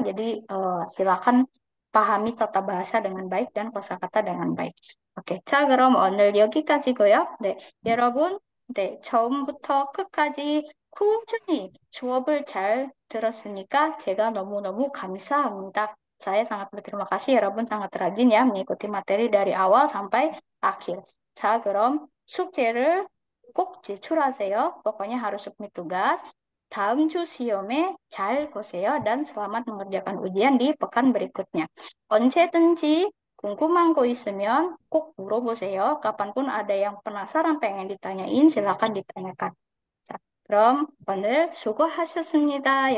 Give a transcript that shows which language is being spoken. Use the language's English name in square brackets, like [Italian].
[Indonesian] Jadi silakan pahami tata bahasa dengan baik dan kosakata dengan baik. [Korean] Oke, okay. 자, 그럼 오늘 여기까지고요. 네, 여러분, 네, 처음부터 끝까지 꾸준히 수업을 잘 들었으니까 제가 너무너무 감사합니다. [Indonesian] Saya sangat berterima kasih, 여러분 sangat rajin ya mengikuti materi dari awal sampai akhir. [Korean] 자, 그럼 숙제를 꼭 제출하세요. [Indonesian] Pokoknya harus submit tugas. [Korean] 다음 주 시험에 잘 보세요 [Indonesian] dan selamat mengerjakan ujian di pekan berikutnya. [Korean] 언제든지 궁금한 거 있으면 꼭 물어보세요. [Indonesian] Kapanpun ada yang penasaran pengen ditanyain silakan ditanyakan. [Korean] 자, 그럼 오늘 수고하셨습니다.